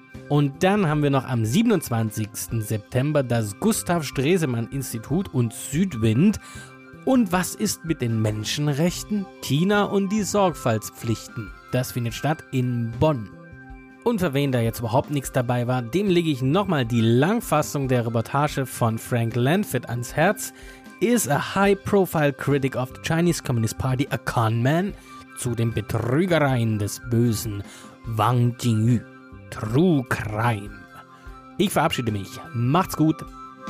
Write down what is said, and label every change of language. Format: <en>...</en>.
<de>Und dann haben wir noch am 27. September das Gustav-Stresemann-Institut und Südwind. Und was ist mit den Menschenrechten? China und die Sorgfaltspflichten. Das findet statt in Bonn. Und für wen da jetzt überhaupt nichts dabei war, dem lege ich nochmal die Langfassung der Reportage von Frank Lanfitt ans Herz.</de> <en>Is a high-profile critic of the Chinese Communist Party a con man?</en> <de>Zu den Betrügereien des Bösen Wang Jingyu. True Crime. Ich verabschiede mich. Macht's gut.</de>